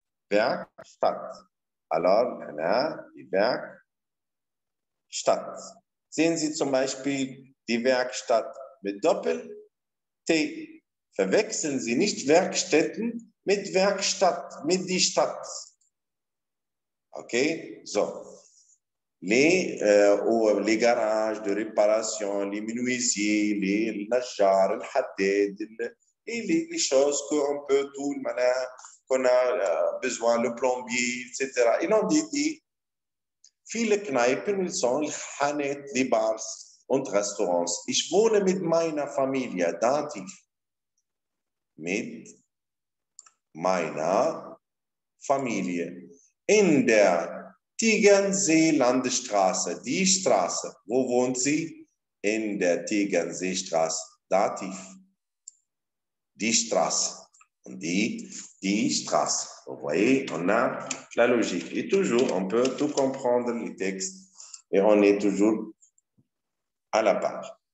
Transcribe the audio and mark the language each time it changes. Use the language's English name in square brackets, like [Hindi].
[German] Werkstatt. Alors, na, die Werkstatt. Sehen Sie zum Beispiel die Werkstatt mit Doppel-T. Verwechseln Sie nicht Werkstätten mit Werkstatt, mit die Stadt. [English] Okay, so. [French] Les garages de réparation, les menuisiers, les nachars, les hadid, les choses qu'on peut tout, qu'on a besoin, le plombier, etc. Ils ont dit, [German] Viele Kneipen sind Hanet, die Bars und Restaurants. Ich wohne mit meiner Familie, Dativ. Mit meiner Familie. In der Tegernsee-Landesstraße, die Straße. Wo wohnt sie? In der Tegernsee-Straße, Dativ. Die Straße. Und die Straße. [French] Vous voyez, on a la logique. Et toujours, on peut tout comprendre, les textes, et on est toujours à la page.